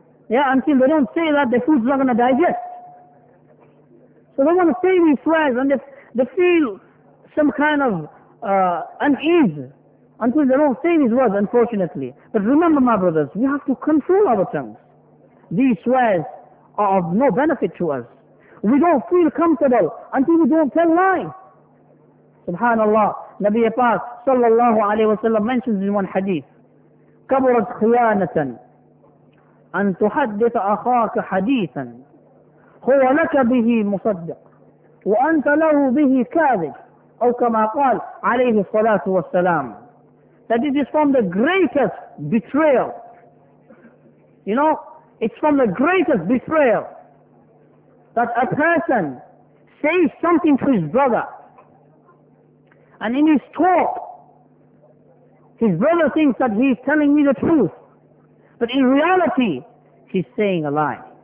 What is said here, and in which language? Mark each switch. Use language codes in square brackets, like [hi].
[en] Yeah, until they don't say that, the food's not going to digest. So they want to say these swears, and they feel some kind of unease until they don't say these words, unfortunately. But remember, my brothers, we have to control our tongues. These swears are of no benefit to us. We don't feel comfortable until we don't tell lies. [ar] Subhanallah, Nabi Pak sallallahu alayhi wa sallam [en] mentions in one hadith, [ar] كَبُرَتْ خِيَانَةً أَن تُحَدِّثَ أَخَاكَ حَدِيثًا هُوَ لَكَ بِهِ مُصَدِّقٌ وَأَنْتَ لَهُ بِهِ كَاذِبٌ أو كما قال عليه الصلاة والسلام. [en] That it is from the greatest betrayal. You know, it's from the greatest betrayal that a person says something to his brother, and in his talk his brother thinks that he is telling me the truth, but in reality he's saying a lie.